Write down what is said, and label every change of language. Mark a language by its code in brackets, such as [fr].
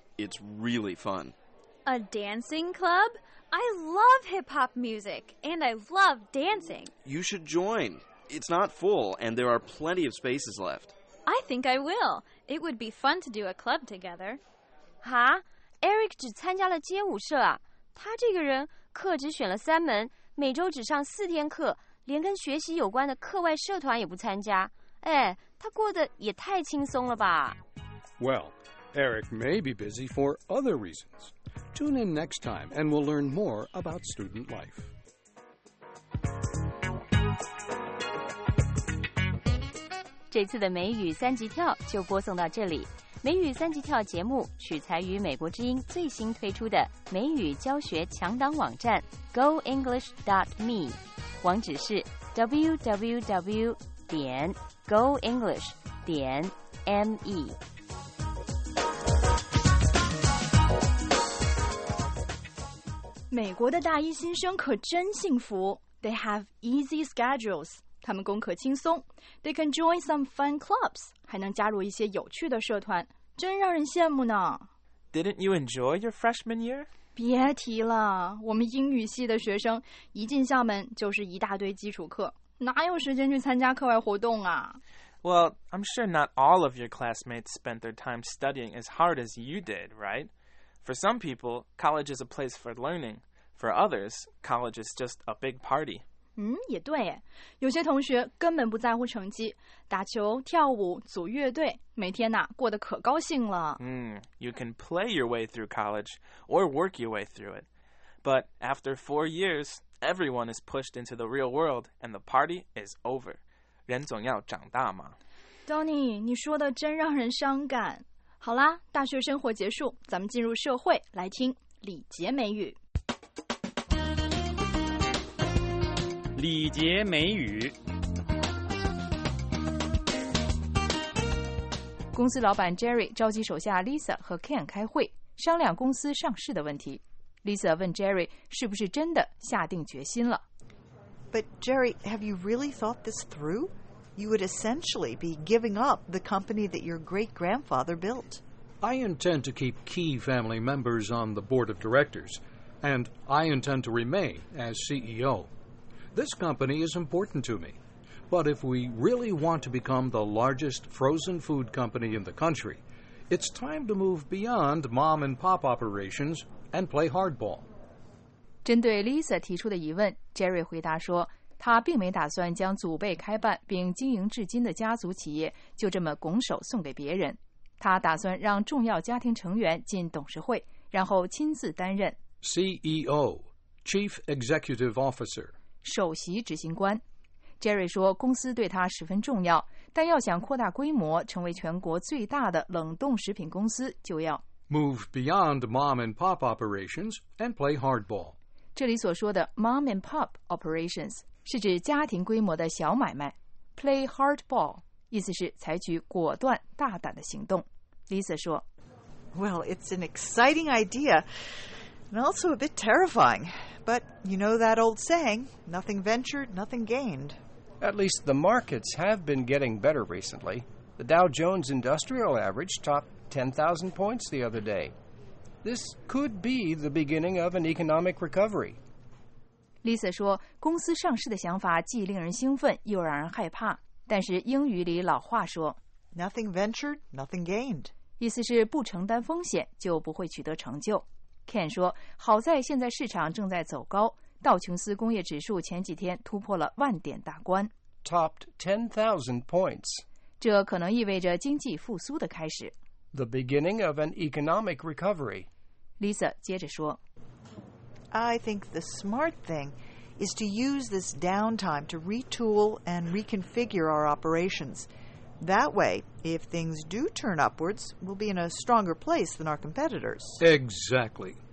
[en] It's really fun. A dancing club? I love hip-hop music, and I love dancing. You should join. It's not full, and there are plenty of spaces left. I think I will. It would be fun to do a club together. [zh] 哈?Eric 只参加了街舞社啊。他这个人课只选了三门，每周只上四天课，连跟学习有关的课外社团也不参加。哎，他过得也太轻松了吧。 [en] Well, Eric may be busy for other reasons. Tune in next time and we'll learn more about student life. This time's [zh] 美语三级跳就播送到这里。美语三级跳节目取材于美国之音最新推出的美语教学强档网站 goenglish.me， 网址是 www.goenglish.me。美国的大一新生可真幸福。 [en] They have easy schedules. [zh] 他们功课轻松。 [en] They can join some fun clubs. [zh] 还能加入一些有趣的社团。真让人羡慕呢。 [en] Didn't you enjoy your freshman year? [zh] 别提了，我们英语系的学生一进校门就是一大堆基础课。哪有时间去参加课外活动啊？ [en] Well, I'm sure not all of your classmates spent their time studying as hard as you did, right? For some people, college is a place for learning. For others, college is just a big party. [zh] 也对耶。有些同学根本不在乎成绩，打球、跳舞、组乐队，每天呐，过得可高兴了。 [en] You can play your way through college or work your way through it. But after 4 years, everyone is pushed into the real world and the party is over. [zh] 人总要长大嘛。 Donny, 你说的真让人伤感。好啦，大学生活结束，咱们进入社会，来听李杰美语。李杰美语。公司老板 Jerry 召集手下 Lisa 和 Ken 开会，商量公司上市的问题。 Lisa 问 Jerry 是不是真的下定决心了。 [en] But Jerry, have you really thought this through? You would essentially be giving up the company that your great-grandfather built. I intend to keep key family members on the board of directors, and I intend to remain as CEO. This company is important to me, but if we really want to become the largest frozen food company in the country, it's time to move beyond mom-and-pop operations and play hardball. [zh] 针对 Lisa 提出的疑问 ，Jerry 回答说。他并没打算将祖辈开办并经营至今的家族企业就这么拱手送给别人。他打算让重要家庭成员进董事会，然后亲自担任 [en] CEO, Chief Executive Officer, [zh] 首席执行官。 Jerry 说公司对他十分重要，但要想扩大规模成为全国最大的冷冻食品公司，就要 [en] Move beyond mom and pop operations and play hardball。 [zh] 这里所说的 [en] mom and pop operations [zh] 是指家庭规模的小买卖。 Play hardball 意思是采取果断大胆的行动。Lisa 说 [en] Well, it's an exciting idea and also a bit terrifying. But you know that old saying, nothing ventured, nothing gained. At least the markets have been getting better recently. The Dow Jones Industrial Average topped 10,000 points the other day. this could be the beginning of an economic recovery. [zh] Lisa 说，公司上市的想法既令人兴奋又让人害怕。但是英语里老话说 [en] ，Nothing ventured, nothing gained. [zh] 意思是不承担风险就不会取得成就。Ken 说，好在现在市场正在走高，道琼斯工业指数前几天突破了万点大关 [en] ，topped 10,000 points. [zh] 这可能意味着经济复苏的开始。 [en] The beginning of an economic recovery. [zh] Lisa 接着说 [en] ，I think the smart thing is to use this downtime to retool and reconfigure our operations. That way, if things do turn upwards, we'll be in a stronger place than our competitors. Exactly.